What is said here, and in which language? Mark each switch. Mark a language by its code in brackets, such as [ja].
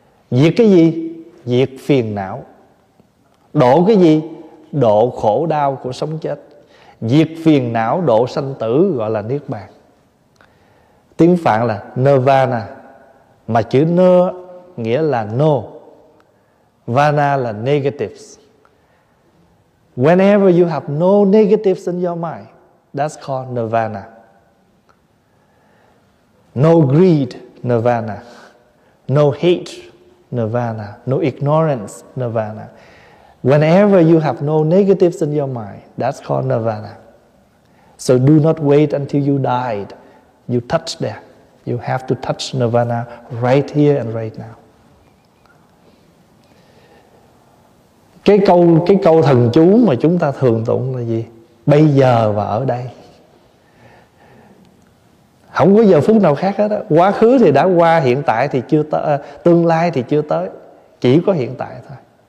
[vi] Diệt cái gì? Diệt phiền não. Độ cái gì? Độ khổ đau của sống chết. Diệt phiền não, độ sanh tử gọi là niết bàn. Tiếng Phạn là nirvana. Mà chữ nơ nghĩa là no, vana là negatives. [en] Whenever you have no negatives in your mind, that's called nirvana. No greed, nirvana. No hate, nirvana. No ignorance, nirvana. Whenever you have no negatives in your mind, that's called nirvana. So do not wait until you died. You touch there. You have to touch nirvana right here and right now. [vi] Cái câu thần chú mà chúng ta thường tụng là gì? Bây giờ và ở đây. Không có giờ phút nào khác hết á. Quá khứ thì đã qua, hiện tại thì chưa tới, tương lai thì chưa tới, chỉ có hiện tại thôi.